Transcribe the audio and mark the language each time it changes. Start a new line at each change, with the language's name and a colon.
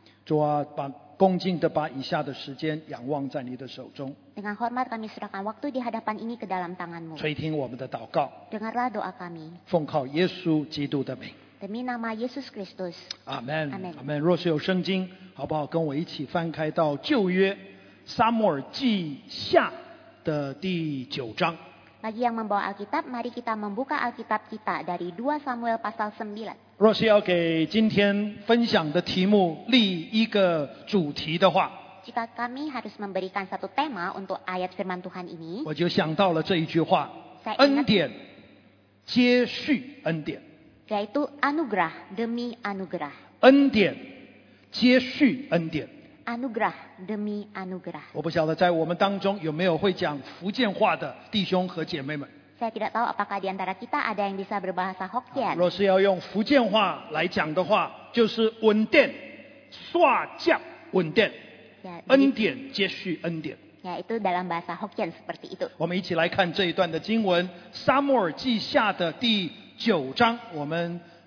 Chinese: 主啊，恭敬地把以下的时间仰望在你的手中，
Indonesian: dengan hormat kami serahkan waktu di hadapan ini ke dalam tanganmu，
Chinese: 垂听我们的祷告，
Indonesian: dengarlah doa kami，
Chinese: 奉靠耶稣基督的名，
Indonesian: demi nama Yesus Kristus， Amen， Amen。
Chinese: 若是有圣经，好不好跟我一起翻开到旧约撒母耳记下的第九章。
Indonesian: Bagi yang membawa Alkitab, mari kita membuka Alkitab kita dari 2 Samuel pasal 9。
Chinese: 若是要给今天分享的题目立一个主题的话，
Indonesian: jika kami harus memberikan satu tema untuk ayat firman Tuhan ini，
Chinese: 我就想到了这一句话，
Indonesian: saya ingat,
Chinese: 恩典接续恩典，
Indonesian: yaitu anugerah demi anugerah，
Chinese: 恩典接续恩典。
Indonesian: Anugerah demi anugerah。
Chinese: 我不晓得在我们当中有没有会讲福建话的弟兄和姐妹们。
Indonesian: Saya tidak tahu apakah di antara kita ada yang bisa berbahasa Hokkien。
Chinese: 若是要用福建话来讲的话，就是稳定，刷降稳定，恩典接续恩典。
Indonesian: Ya, itu dalam bahasa Hokkien seperti itu。
Chinese: 我们一起来看这一段的经文，《撒母耳记下》的第九章，我们。